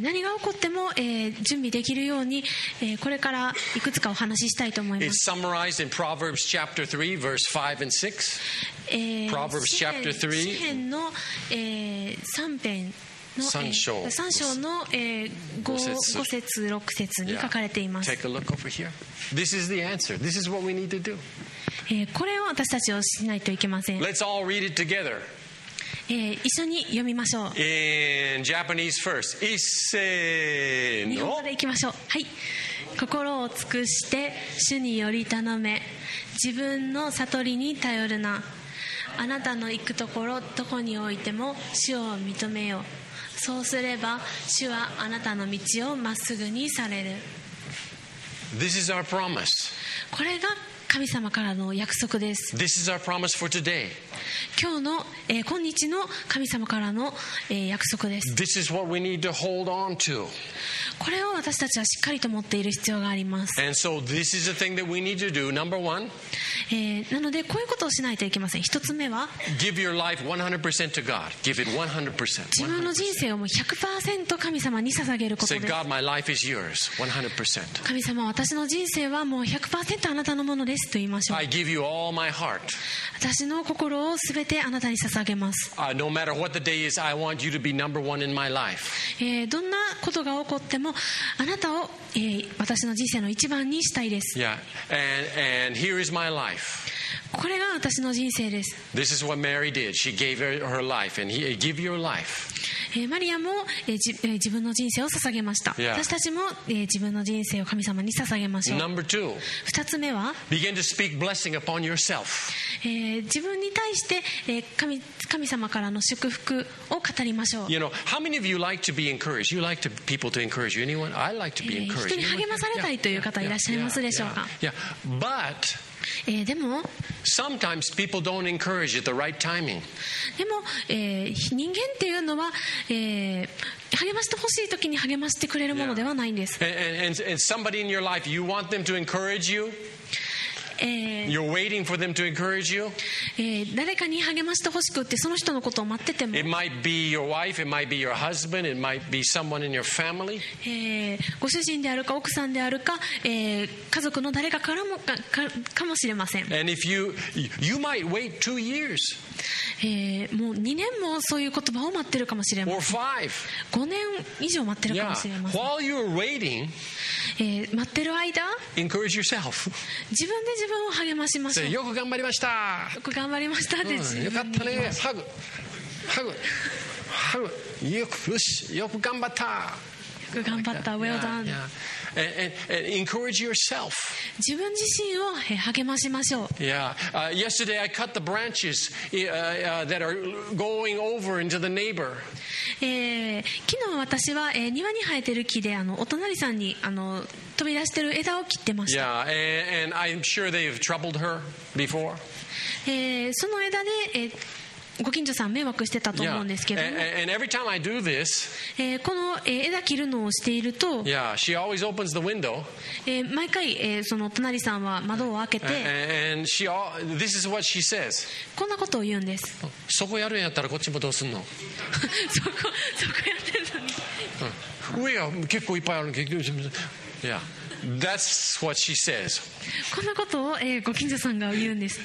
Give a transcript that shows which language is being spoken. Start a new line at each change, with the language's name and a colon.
Japanese: 何が起こっても、準備できるように、これからいくつかお話ししたいと思います。
English: It's summarized in Proverbs chapter 3, verse 5 and 6. Proverbs chapter 3.
Japanese: 詩編の、3編。 3 章の、5節6節に書かれています。
English: Take a look over here. This is the answer. This is what we need to do.
Japanese: これを私たちはしないといけません。
English: Let's all read it together.
Japanese: 一緒に読みましょう。
English: In Japanese first.
Japanese: 一斉の日本語でいきましょう。はい。心を尽くして主により頼め、自分の悟りに頼るな。あなたの行くところどこにおいても主を認めよ。そうすれば主はあなたの道をまっすぐにされる。
English: This is our promise.
Japanese: これが神様からの約束です。
English: This is our promise for today.
Japanese: 今日の、今日の神様からの、約束です。
English: This is what we need to hold on to.
Japanese: これを私たちはしっかりと持っている必要があります。
English: And so this is the thing that we need to do, number one.
Japanese: なのでこういうことをしないといけません。一つ目は
English: Give your life 100% to God. Give it 100%.
Japanese: 自分の人生をもう 100% 神様に捧げることです。
English: Say, God, my life is yours, 100%.
Japanese: 神様、私の人生はもう 100% あなたのものですと言いましょう。
English: I give you all my heart.
Japanese: 私の心をすべてあなたに捧げます。
English: No matter what the day is, I want you to be number one in my life.
Japanese: どんなことが起こってもあなたを、私の人生の一番にしたいです。
English: Yeah. And here is my life.
Japanese: これが私の人生です。
English: This is what Mary did. She gave her life. And he give your life.
Japanese: マリアも、自分の人生を捧げました、
English: yeah.
Japanese: 私たちも、自分の人生を神様に捧げましょう。
English: Number two,
Japanese: 二つ目は
English: begin to speak blessing upon yourself.
Japanese: 自分に対して、神様からの祝福を語りましょう。
English: You know, how many of you like to be encouraged? You like to people to encourage you? Anyone? I like to be encouraged.
Japanese: 人に励まされたいという方いらっしゃいますでしょうか。
English: But
Japanese: でも
English: Sometimes people don't encourage at the right timing.
Japanese: でも、人間っていうのは、励ましてほしい時に励ましてくれるものではないんです。
English: And somebody in your life, you want them to encourage you? You're waiting for them to encourage you?
Japanese: 誰かに励ましてほしくってその人のことを待ってても
English: It might be your wife, it might be your husband, it might be someone in your family.
Japanese: ご主人であるか奥さんであるか、家族の誰かからも かもしれません。
English: And if you might wait 2 years.
Japanese: もう2年もそういう言葉を待ってるかもしれません。
English: Or 5.
Japanese: 5年以上待ってるかもしれません。
English: Yeah. While you're waiting,
Japanese: 待ってる間
English: encourage yourself.
Japanese: 自分で自分を励ましましょう。
English: Say,
Japanese: よく頑張りました。よく頑張りましたって自分に言います。よかったね。ハグハグハグ。よく、よし、よく頑張った。よく頑張った。
English: Well done. Yeah, yeah. And encourage yourself.
Japanese: 自分自身を励ましましょう。
English: Yeah. Yesterday I cut the branches that are going over into the neighbor.
Japanese: 昨日私は、庭に生えてる木でお隣さんに飛び出してる枝を切ってました。
English: Yeah, and I'm sure they've troubled her before.
Japanese: その枝で、ご近所さん迷惑してたと思うんですけども、
English: and every time I do this,
Japanese: この、枝切るのをしていると、
English: yeah, she always opens the window.
Japanese: 毎回、その隣さんは窓を開けて、
English: and she all, this is what she says.
Japanese: こんなことを言うんです。そこやるんやったらこっちもどうすんの。そこやってんのに。いや、結構いっぱいあるの。いや、
English: That's what she says.
Japanese: こんなことを、ご近所さんが言うんです。